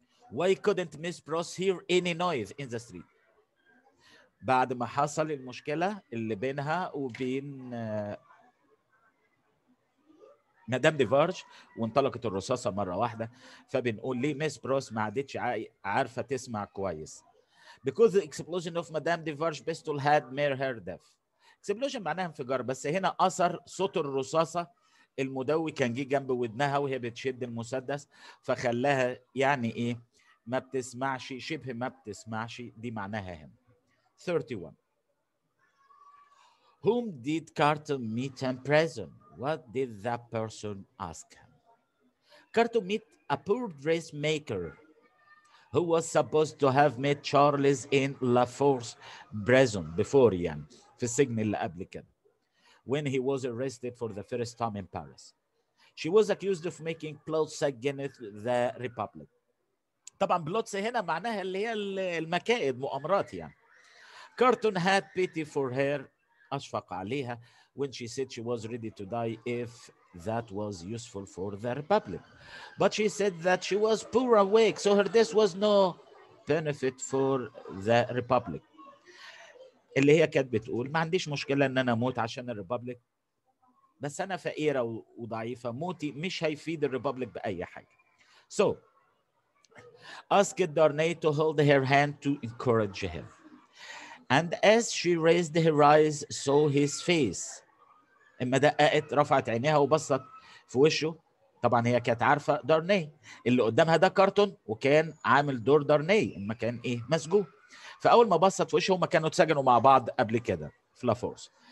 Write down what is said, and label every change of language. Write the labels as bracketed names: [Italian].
[English] Why couldn't Miss Pross hear any noise in the street? [Arabic] بعد ما حصل المشكلة اللي بينها وبين مدام ديفارج وانطلقت الرصاصة مرة واحدة, فبنقول ليه ميس بروس ما عادتش عارفة تسمع كويس. [English] Because the explosion of Madame Defarge pistol had made her deaf. [Arabic] Explosion معناها انفجار, بس هنا أثر صوت الرصاصة المدوي كان جي جنب ودنها وهي بتشد المسدس فخلاها يعني إيه ما بتسمعش, شبه ما بتسمعش. دي معناها هنا. 31. [English] Whom did Carter meet in prison? What did that person ask him? Carter met a poor dressmaker who was supposed to have met Charles in LaForce prison before him, [Arabic] في السجن اللي قبل كده, [English] when he was arrested for the first time in Paris. She was accused of making plots against the Republic. [Arabic] طبعا بلوتس هنا معناها اللي هي المكائد, مؤامرات يعني. [English] Carter had pity for her, [Arabic] أشفق عليها, [English] when she said she was ready to die if that was useful for the Republic. But she said that she was poor awake, so her death was no benefit for the Republic. [Arabic] اللي هي كانت بتقول ما عنديش مشكلة ان انا موت عشان الريبابليك, بس انا فقيرة وضعيفة, موتي مش هيفيد الريبابليك بأي حاجة. [English] So asked Darnay to hold her hand to encourage him. And as she raised her eyes, saw his face. [Arabic] إما دققت رفعت عينيها وبصت في وشه. طبعا هي كانت عارفة دارني اللي قدامها ده كارتون وكان عامل دور دارني إما كان إيه مسجون. فأول ما بصت في وشه وما كانوا تسجنوا مع بعض قبل كده في لافورس.